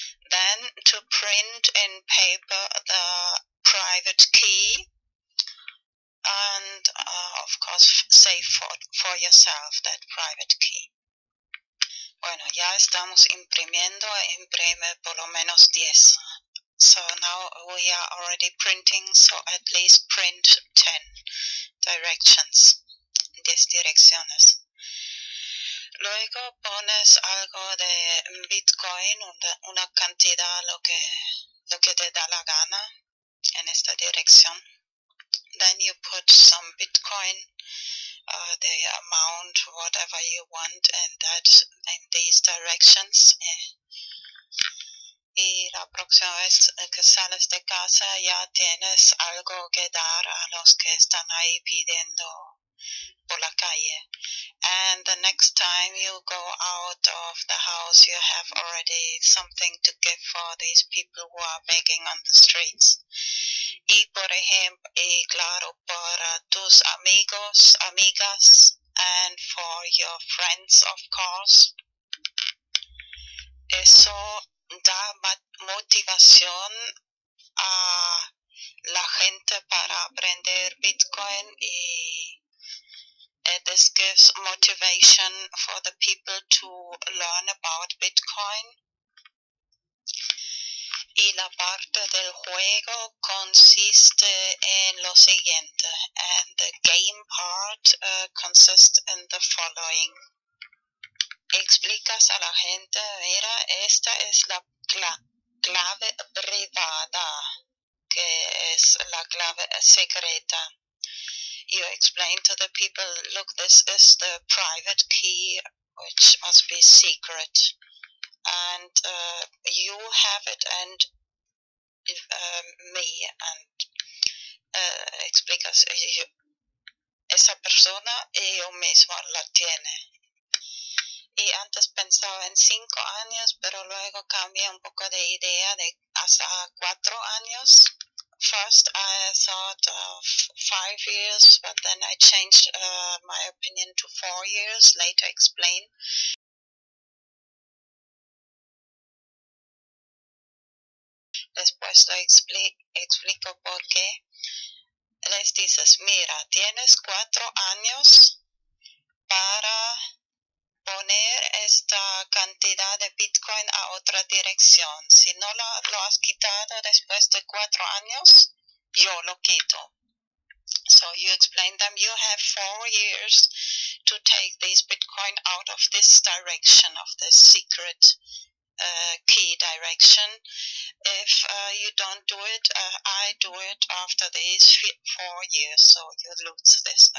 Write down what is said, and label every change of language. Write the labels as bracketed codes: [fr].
[en] Then to print in paper the private key and of course save for yourself that private key. [es] Bueno, ya estamos imprimiendo, imprime por lo menos 10. [en] So now we are already printing, so at least print 10 directions, 10 direcciones. [es] Luego pones algo de Bitcoin, una cantidad, lo que te da la gana en esta dirección. [en] Then you put some Bitcoin, the amount, whatever you want, and that's in these directions. [es] Y la próxima vez que sales de casa ya tienes algo que dar a los que están ahí pidiendo por la calle. [en] And the next time you go out of the house, you have already something to give for these people who are begging on the streets. [es] Y por ejemplo, y claro, para tus amigos, amigas, [en] and for your friends, of course. Eso da motivación a la gente para aprender Bitcoin y this gives motivation for the people to learn about Bitcoin. [es] Y la parte del juego consiste en lo siguiente. [en] And the game part consists in the following. [es] Explicas a la gente, mira, esta es la clave privada, que es la clave secreta. [en] You explain to the people, look, this is the private key, which must be secret. And you have it and me. [es] And explicas, yo, esa persona y yo mismo la tiene. Y antes pensaba en 5 años, pero luego cambié un poco de idea de hasta 4 años. [en] First, I thought of 5 years, but then I changed my opinion to 4 years. Later, explain. [es] Después lo explico por qué. Les dices, mira, tienes 4 años para poner esta cantidad de Bitcoin a otra dirección. Si no lo has quitado después de 4 años, yo lo quito. [en] So you explain them, you have 4 years to take this Bitcoin out of this direction, of this secret key direction. If you don't do it, I do it after these 4 years, so you lose this.